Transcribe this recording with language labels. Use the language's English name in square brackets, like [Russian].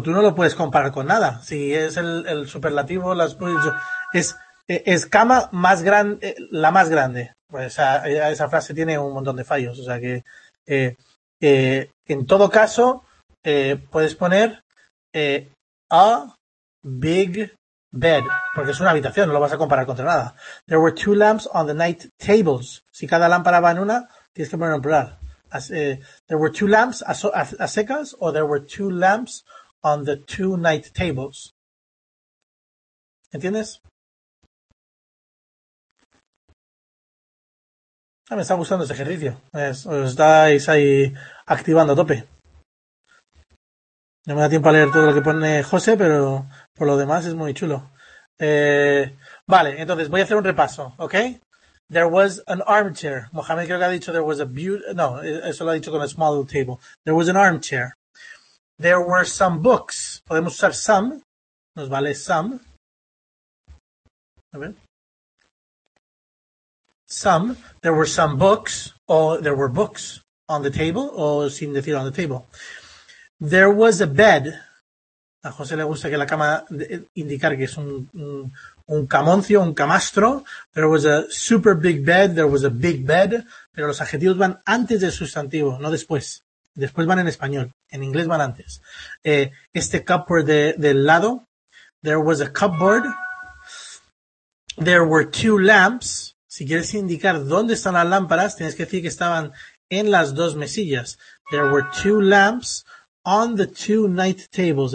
[Spanish] Tú no lo puedes comparar con nada. Si es el superlativo, es cama más grande, la más grande. Pues esa frase tiene un montón de fallos. O sea que, en todo caso, puedes poner [English] a big bed, [Spanish] porque es una habitación, no lo vas a comparar contra nada. [English] There were two lamps on the night tables. [Spanish] Si cada lámpara va en una, tienes que poner en plural. [English] There were two lamps [Spanish] a secas, o [English] there were two lamps on the two night tables. [Spanish] ¿Entiendes? Me está gustando ese ejercicio. Os estáis ahí activando a tope. No me da tiempo a leer todo lo que pone José, pero por lo demás es muy chulo. Vale, entonces voy a hacer un repaso, ¿ok? [English] There was an armchair. Mohamed [Spanish] creo que ha dicho [English] there was a beautiful. [Spanish] No, eso lo ha dicho con [English] a small table. There was an armchair. There were some books. [Spanish] Podemos usar [English] some. [Spanish] Nos vale [English] some. [Spanish] A ver. [English] Some, there were some books, or there were books on the table, [Spanish] o sin decir [English] on the table. There was a bed. [Spanish] A José le gusta que la cama indicar que es un camoncio, un camastro. [English] There was a super big bed, there was a big bed. [Spanish] Pero los adjetivos van antes del sustantivo, no después. Después van en español, en inglés van antes. Este [English] cupboard [Spanish] del lado. [English] There was a cupboard. There were two lamps. [Spanish] Si quieres indicar dónde están las lámparas, tienes que decir que estaban en las dos mesillas. [English] There were two lamps on the two night tables.